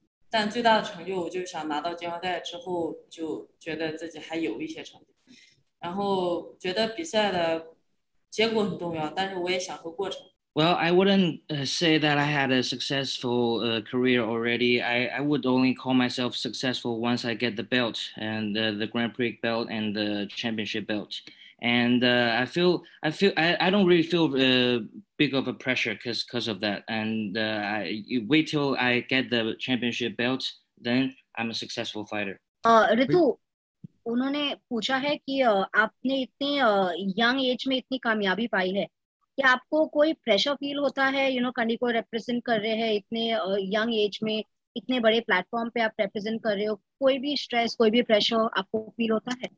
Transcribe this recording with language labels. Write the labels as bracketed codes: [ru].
[zh] 但最大的成就我就想拿到金腰带之后就觉得自己还有一些成就，然后觉得比赛的结果很重要，但是我也享受过程。 [en] Well, I wouldn't say that I had a successful career already. I would only call myself successful once I get the belt and the Grand Prix belt and the championship belt. And I don't really feel big of a pressure because of that. And I wait till I get the championship belt, then I'm a successful fighter. [hi] Ritu, उन्होंने पूछा है कि आपने इतने young age में इतनी कामयाबी पाई है, क्या आपको कोई pressure feel होता है? You know, कंडी को represent कर रहे हैं इतने young age में, इतने बड़े प्लेटफॉर्म पे आप रिप्रेजेंट कर रहे हो, कोई भी स्ट्रेस कोई भी प्रेशर आपको फील होता है?